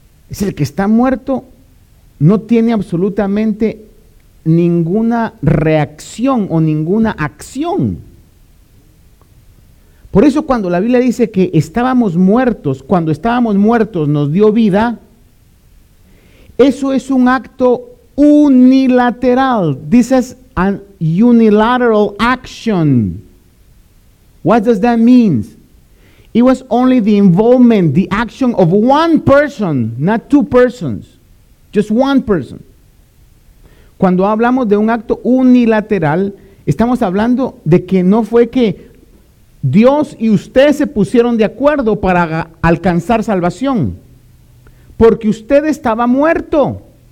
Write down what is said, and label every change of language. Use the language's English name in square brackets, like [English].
[Spanish] Es el que está muerto, no tiene absolutamente ninguna reacción o ninguna acción. Por eso cuando la Biblia dice que estábamos muertos, cuando estábamos muertos nos dio vida, eso es un acto unilateral. [English] This is an unilateral action. What does that mean? It was only the involvement, the action of one person, not two persons, just one person. [Spanish] Cuando hablamos de un acto unilateral, estamos hablando de que no fue que Dios y usted se pusieron de acuerdo para alcanzar salvación, porque usted estaba muerto.